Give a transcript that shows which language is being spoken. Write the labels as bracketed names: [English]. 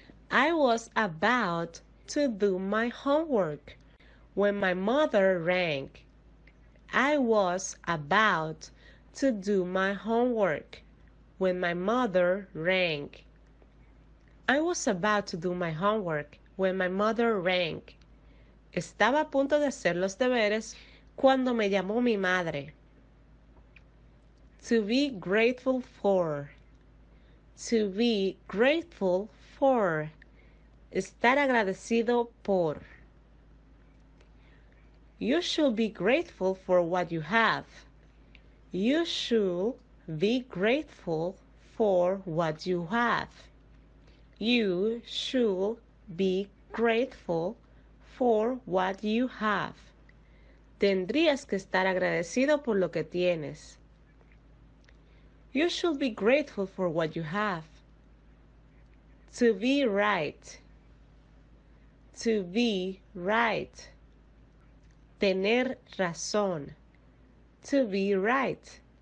[English] I was about to do my homework When my mother rang, I was about to do my homework. When my mother rang. I was about to do my homework when my mother rang. [Spanish] Estaba a punto de hacer los deberes cuando me llamó mi madre. [English] To be grateful for. To be grateful for. [Spanish] Estar agradecido por. [English] You should be grateful for what you have. You should be grateful for what you have. You should be grateful for what you have. [Spanish] Tendrías que estar agradecido por lo que tienes. [English] You should be grateful for what you have. To be right. To be right. [Spanish] Tener razón. [English] To be right.